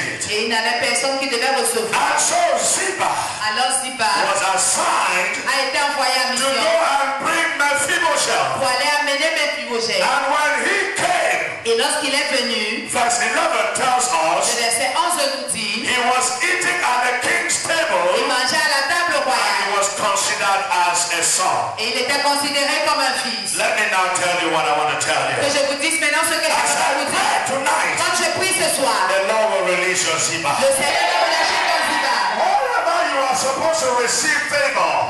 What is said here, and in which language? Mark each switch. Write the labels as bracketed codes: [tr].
[fr] Et il n'avait personne qui devait recevoir. [en] So Ziba. [fr] Alors Ziba [en] was assigned [fr] a été envoyé à mission. [en] To go and bring Mephibosheth. [fr] Pour aller amener Mephibosheth. [en] And when he came. [fr] Et lorsqu'il est venu. [en] Verse 11 tells us. [fr] Le verset 11 nous dit. [en] He was eating at the king's table. [fr] Il mangeait à la table royale. [en] And he was considered as a son. [fr] Et il était considéré comme un fils. [en] Let me now tell you what I want to tell you. [fr] Que je vous dise maintenant ce que [en] as [fr] je veux vous dire. [en] Tonight. [fr] Quand je prie ce soir. [en] The Lord will release your Ziba. [fr] Le Seigneur va lâcher ton Ziba. [en] Wherever you are supposed to receive favor.